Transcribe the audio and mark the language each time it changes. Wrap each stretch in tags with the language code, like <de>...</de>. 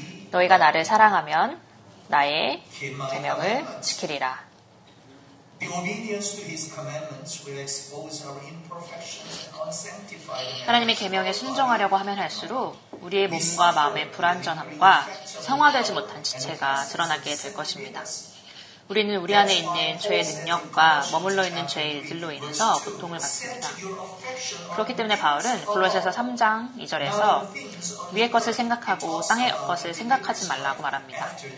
<ko>너희가 나를 사랑하면 나의 계명을 지키리라.</ko> <en>The obedience to His commandments will expose our imperfections and unsanctified man.</en> <ko>하나님의 계명에 순종하려고 하면 할수록 우리의 몸과 마음의 불완전함과 성화되지 못한 지체가 드러나게 될 것입니다. 우리는 우리 안에 있는 죄의 능력과 머물러 있는 죄의 일들로 인해서 고통을 받습니다. 그렇기 때문에 바울은 골로새서 3장 2절에서 위의 것을 생각하고 땅의 것을 생각하지 말라고 말합니다.</ko>